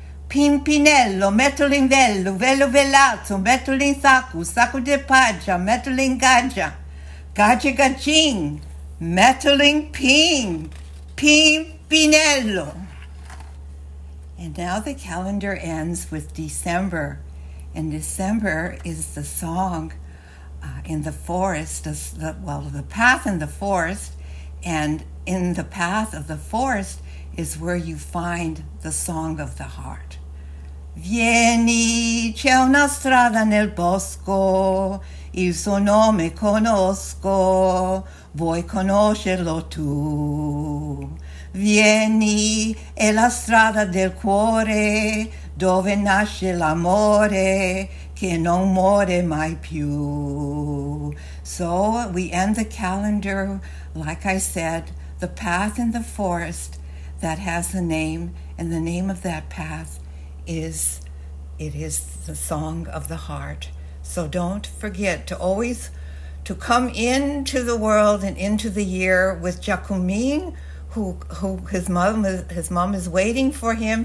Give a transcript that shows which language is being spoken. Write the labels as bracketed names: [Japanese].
[Italian] Pimpinello, mettolo in velo, velo velato, mettolo in sacco, sacco di paggia, mettolo in gaggia, gaggia gaggin, mettolo in ping. Pimpinello. [English] And now the calendar ends with December. And December is the song in the forest, the path in the forest. And in the path of the forest is where you find the song of the heart. [Italian] Vieni, c'è una strada nel bosco, il suo nome conosco, vuoi conoscerlo tu? Vieni, è la strada del cuore, dove nasce l'amore, che non muore mai più. [English] So we end the calendar, like I said, the path in the forest that has a name, and the name of that path is the song of the heart. So don't forget to always to come into the world and into the year with Jacumin, who his mom is waiting for him.